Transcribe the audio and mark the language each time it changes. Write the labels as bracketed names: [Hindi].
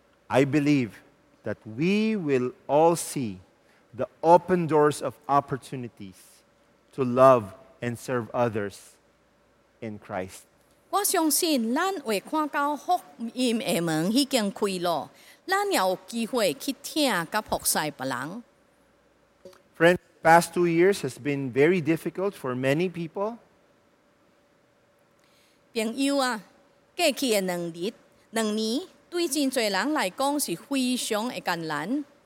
[English] I believe that we will all see the open doors of opportunities to love and serve others in Christ. [Min Nan Chinese] 我相信咱会看到福音的门已经开了，咱也有机会去听甲服侍别人。 [English] Friends, the past 2 years has been very difficult for many people. [Min Nan Chinese] 朋友啊，过去的两年对真侪人来讲是非常的艰难。